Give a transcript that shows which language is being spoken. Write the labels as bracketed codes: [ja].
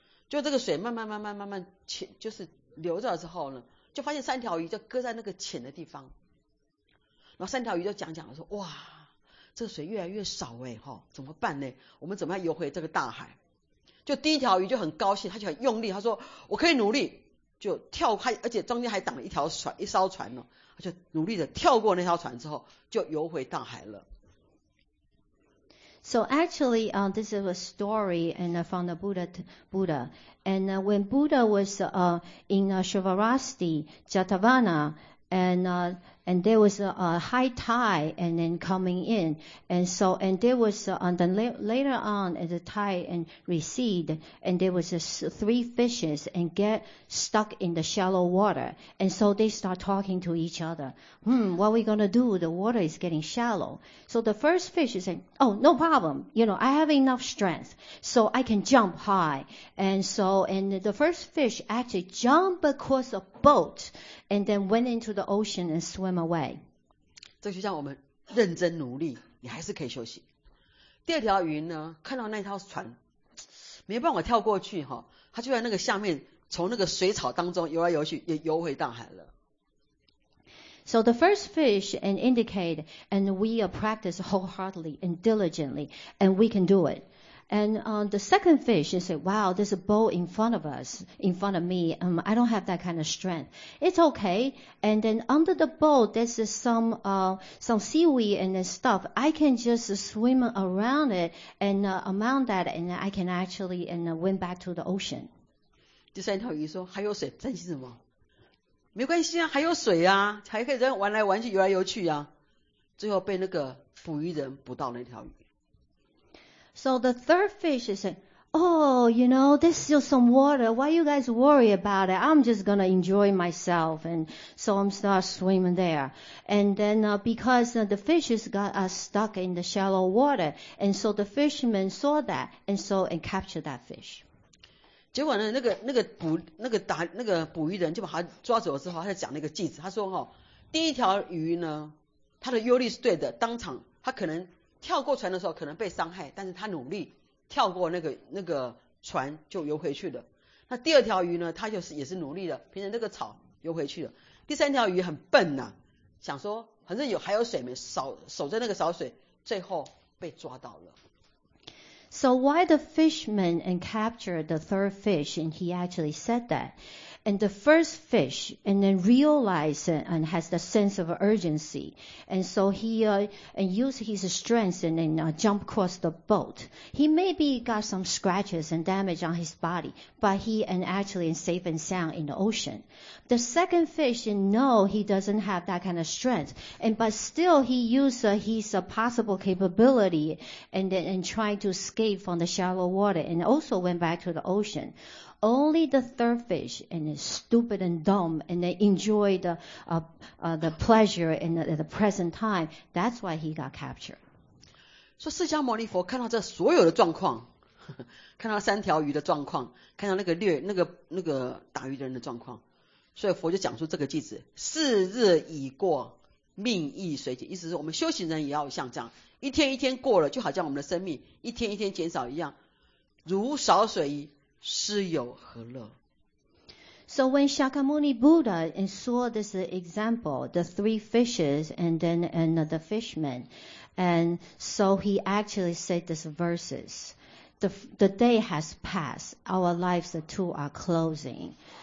[zh] 就这个水慢慢慢慢慢慢就是流着之后呢，就发现三条鱼就搁在那个浅的地方，然后三条鱼就讲了说，哇，这个水越来越少哎，哈，怎么办呢？我们怎么样游回这个大海？就第一条鱼就很高兴，他就很用力，他说我可以努力，就跳开，而且中间还挡了一条船，一艘船呢，他就努力的跳过那条船之后就游回大海了。 [en] So actually, this is a story and from the Buddha. And when Buddha was in Shivarasti, Jatavana, and there was a high tide and then coming in. And there was, later on, the tide and recede, and there was three fishes and get stuck in the shallow water. And so they start talking to each other. What are we going to do? The water is getting shallow. So the first fish is saying, oh, no problem. You know, I have enough strength, so I can jump high. And the first fish actually jumped across a boat and then went into the ocean and swam away. [zh] 这就像我们认真努力，你还是可以休息。第二条鱼呢，看到那条船没办法跳过去哈，它就在那个下面，从那个水草当中游来游去，也游回大海了。 [en] So the first fish and indicate, and we practice wholeheartedly and diligently, and we can do it. And the second fish say, wow, there's a boat in front of me. I don't have that kind of strength. It's okay. And then under the boat, there's some seaweed and stuff. I can just swim around it and around that, and I can actually went back to the ocean. [zh] 第三条鱼说，还有水，担心什么？没关系啊，还有水啊，还可以这样玩来玩去，游来游去啊。最后被那个捕鱼人捕到那条鱼。 [en] So the third fish is saying, oh, you know, there's still some water. Why you guys worry about it? I'm just going to enjoy myself. And so I'm start swimming there. And then because the fishes got stuck in the shallow water. And so the fishermen saw that and captured that fish. [zh] 结果呢，那个捕鱼人就把他抓走之后，他就讲了一个句子。他说，第一条鱼呢，他的忧虑是对的，当场他可能跳过船的时候可能被伤害，但是他努力跳过那个船就游回去了。那第二条鱼呢，他就是也是努力的，凭着那个草游回去了。第三条鱼很笨呐，想说反正还有水没，守着那个少水，最后被抓到了。 [en] So why the fisherman and captured the third fish and he actually said that? And the first fish and then realize and has the sense of urgency. And so he and use his strength and then jump across the boat. He maybe got some scratches and damage on his body, but he and actually safe and sound in the ocean. The second fish, no, he doesn't have that kind of strength. But still he used his possible capability and trying to escape from the shallow water and also went back to the ocean. Only the third fish and is stupid and dumb and they enjoy the pleasure in the present time. That's why he got captured. [zh] 说释迦牟尼佛看到这所有的状况，看到三条鱼的状况，看到那个打鱼的人的状况，所以佛就讲出这个句子：四日已过，命亦随减。意思是我们修行人也要像这样，一天一天过了，就好像我们的生命一天一天减少一样，如少水一。是有何乐？ [en] So when Shakyamuni Buddha saw this example, the three fishes and then the fishermen, and so he actually said this verses. The day has passed. Our lives too are closing.